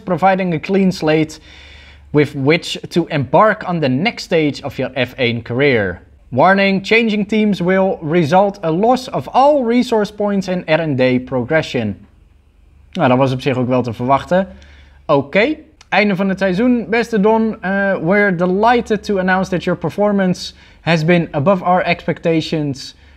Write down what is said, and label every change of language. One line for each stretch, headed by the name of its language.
English: Providing a clean slate with which to embark on the next stage of your F1 career. Warning, changing teams will result a loss of all resource points and R&D progression.
Dutch: Nou, dat was op zich ook wel te verwachten. Oké. Einde van het seizoen, beste Don.
English: We're delighted to announce that your performance has been above our expectations.